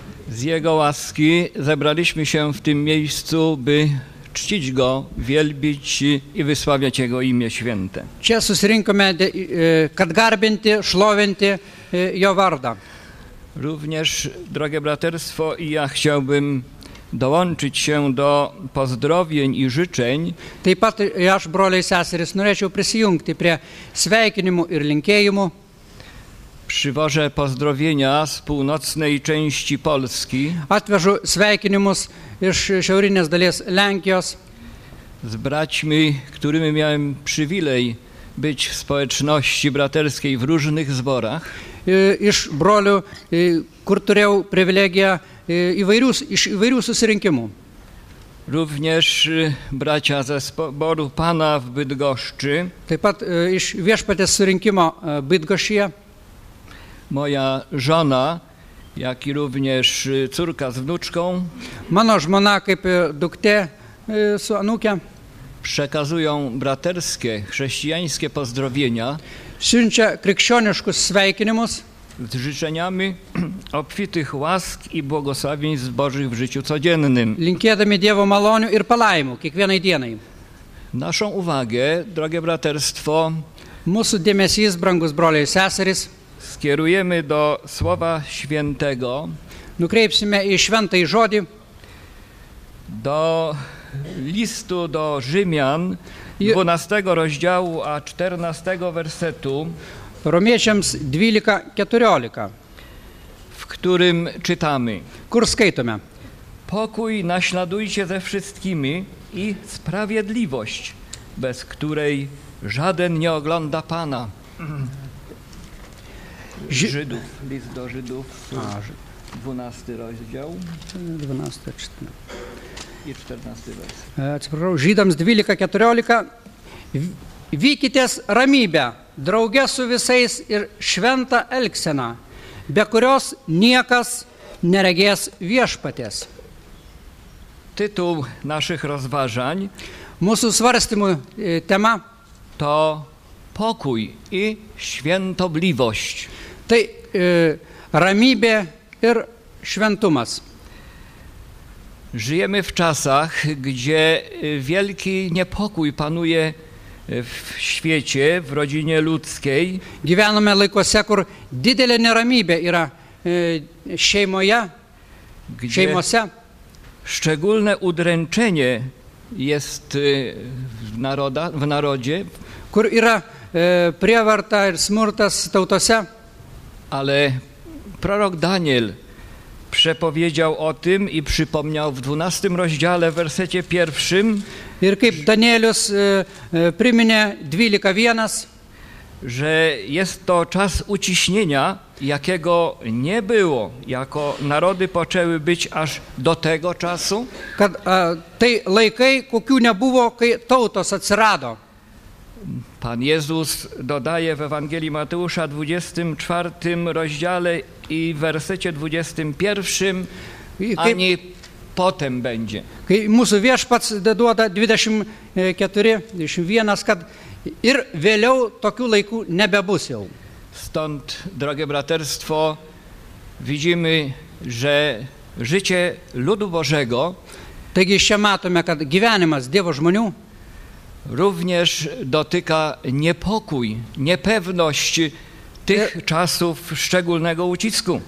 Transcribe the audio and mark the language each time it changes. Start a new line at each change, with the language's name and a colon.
Polish: Z Jego łaski zebraliśmy się w tym miejscu, by czcić Go, wielbić i wysławiać Jego imię święte.
Lithuanian: Čia susirinkome, kad garbinti, šlovinti Jo vardą.
Polish: Również, drogie braterstwo, i ja chciałbym dołączyć się do pozdrowień i życzeń.
Lithuanian: Taip pat, aš, broliai, seserys, norėčiau prisijungti prie sveikinimų ir linkėjimų.
Polish: Przywożę pozdrowienia z północnej części Polski.
Lithuanian: Atvežu sveikinimus iš šiaurinės dalies Lenkijos.
Polish: Z braćmi, którymi miałem przywilej być w społeczności braterskiej w różnych zborach.
Lithuanian: Iš brolių, kur turėjau privilegiją iš įvairių susirinkimų.
Polish: Również bracia ze zboru Pana w Bydgoszczy.
Lithuanian: Taip pat iš viešpatės surinkimo Bydgoszczyje.
Polish: Moja žona, jak i również córka z wnuczką.
Lithuanian: Mano žmona kaip duktė su anūke.
Polish: Przekazują braterskie, chrześcijańskie pozdrowienia.
Lithuanian: Siunčia krikščioniškus sveikinimus.
Polish: Z życzeniami obfitych łask i błogosławieństw Bożych w życiu codziennym.
Lithuanian: Linkėdami Dievo malonių ir palaimų kiekvienai dienai.
Polish: Naszą uwagę, drogie braterstwo,
Lithuanian: mūsų dėmesys, brangus broliai seserys,
Polish: skierujemy do Słowa Świętego,
Lithuanian: nukreipsime į šventąjį žodį,
Polish: do listu do Rzymian, 12 rozdziału, a 14 wersetu,
Lithuanian: Romiečiams 12:14,
Polish: w którym czytamy,
Lithuanian: kur skaitome,
Polish: pokój naśladujcie ze wszystkimi i sprawiedliwość, bez której żaden nie ogląda Pana. Żydów, list do Żydów, 12 rozdział, 12:14 i 14 werset. Żydom 12:14,
Lithuanian: wykitės ramybę. drauge su visais ir šventą elgseną, be kurios niekas neregės viešpatės.
Polish: Tytul naših rozważań,
Lithuanian: mūsų svarstymų tema,
Polish: to pokój i świętobliwość.
Lithuanian: Tai ramybė ir šventumas.
Polish: Žyjemy w czasach, gdzie wielki niepokój panuje w świecie, w rodzinie ludzkiej.
Lithuanian: Gyvename laikose, kur didelė neramybė yra šeimoje, šeimose.
Polish: Szczególne udręczenie jest w, naroda, w narodzie.
Lithuanian: Kur yra prievarta ir smurtas tautose.
Polish: Ale prorok Daniel przepowiedział o tym i przypomniał w 12 rozdziale, w wersecie pierwszym.
Lithuanian: Ir kaip Danielius priminė 12:1,
Polish: że jest to czas uciśnienia, jakiego nie było, jako narody poczęły być aż do tego czasu.
Lithuanian: Kad tai laikai, kokių nebuvo, kai tautos atsirado.
Polish: Pan Jezus dodaje w Ewangelii Mateusza 24 rozdziale i w wersecie 21, ani potem będzie.
Lithuanian: Kai mūsų Viešpats deduoda 24:21, kad ir vėliau tokių laikų nebebus jau.
Polish: Stąd, drogie braterstwo, widzimy, że życie ludu Bożego,
Lithuanian: taigi jeszcze matome, kad gyvenimas Dievo žmonių,
Polish: również dotyka niepokój, niepewność tych czasów szczególnego ucisku.